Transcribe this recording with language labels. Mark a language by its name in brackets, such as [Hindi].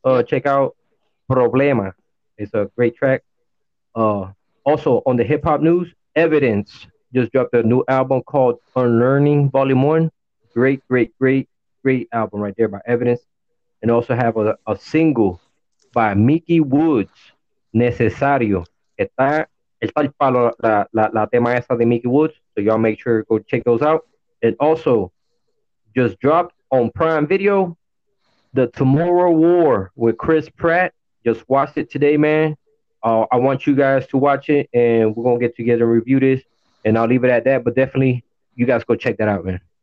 [English] Check out Problema. It's a great track. Also, on the hip-hop news, Evidence just dropped a new album called Unlearning Volume 1. Great, great, great, great album right there by Evidence. And also have a single by Mickey Woods, Necesario. [Spanish] Está el palo la tema esa de Mickey Woods. [English] So y'all make sure to go check those out. And also, just dropped on Prime Video, The Tomorrow War with Chris Pratt. Just watched it today, man. I want you guys to watch it, and we're going to get together and review this, and I'll leave it at that. But definitely, you guys go check that out, man.